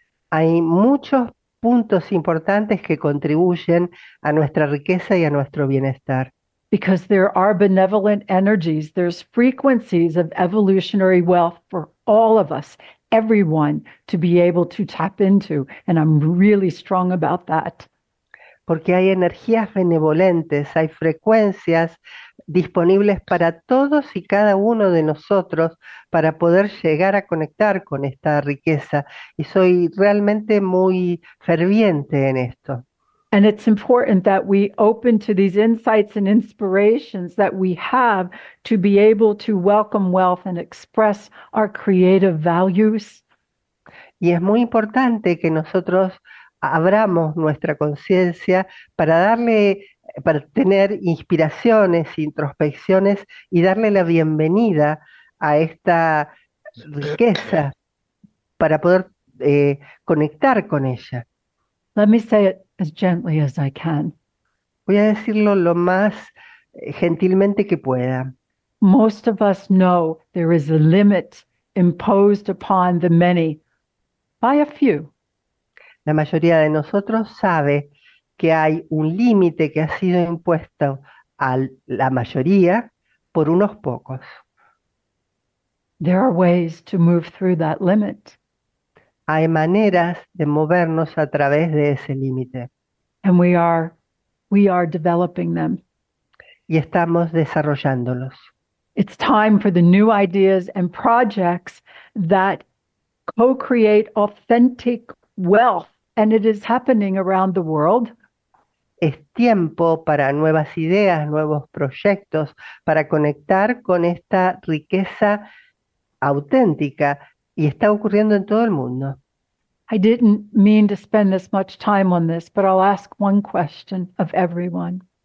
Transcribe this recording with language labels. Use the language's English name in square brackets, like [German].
[Spanish] Hay muchos puntos importantes que contribuyen a nuestra riqueza y a nuestro bienestar. [English] Because there are benevolent energies, there's frequencies of evolutionary wealth for all of us, everyone, to be able to tap into, and I'm really strong about that. [Spanish] Porque hay energías benevolentes, hay frecuencias disponibles para todos y cada uno de nosotros para poder llegar a conectar con esta riqueza, y soy realmente muy ferviente en esto. [English] And it's important that we open to these insights and inspirations that we have to be able to welcome wealth and express our creative values. [Spanish] Y es muy importante que nosotros abramos nuestra conciencia para darle, para tener inspiraciones, introspecciones y darle la bienvenida a esta riqueza para poder conectar con ella. [English] Let me say it as gently as I can. [Spanish] Voy a decirlo lo más gentilmente que pueda. [English] Most of us know there is a limit imposed upon the many by a few. [Spanish] La mayoría de nosotros sabe que hay un límite que ha sido impuesto a la mayoría por unos pocos. [English] There are ways to move through that limit. [Spanish] Hay maneras de movernos a través de ese límite. [English] And we are developing them. [Spanish] Y estamos desarrollándolos. [English] It's time for the new ideas and projects that co-create authentic wealth, and it is happening around the world. [Spanish] Es tiempo para nuevas ideas, nuevos proyectos, para conectar con esta riqueza auténtica, y está ocurriendo en todo el mundo. [English] I didn't mean to spend this much time on this, but I'll ask one question of everyone.